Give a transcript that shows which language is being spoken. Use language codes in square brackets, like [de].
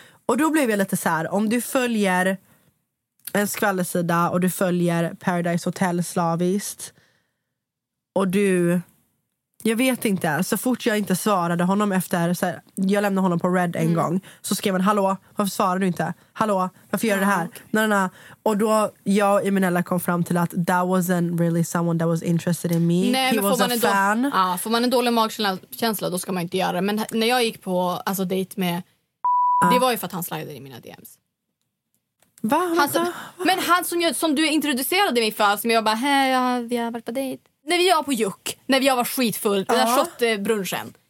[sv] Och då blev jag lite så här, om du följer en skvallersida och du följer Paradise Hotel slaviskt. Och du, jag vet inte, så fort jag inte svarade honom efter, så här, jag lämnade honom på red en gång. Så skrev han, hallå, varför svarar du inte? Hallå, varför gör du det här? Okay. Nej. Och då, jag och Imenella kom fram till att [en] that wasn't really someone that was interested in me. [sv] Nej, [en] he was a fan. [sv] Får man en dålig magkänsla, då ska man inte göra det. Men när jag gick på alltså dejt med det var ju för att han slidade i mina DMs. Va? Han, va? Men han som du introducerade mig för, som jag bara, hej, vi har varit på dejt. När vi var på Juck, när vi var skitfull, den där shotbrunchen.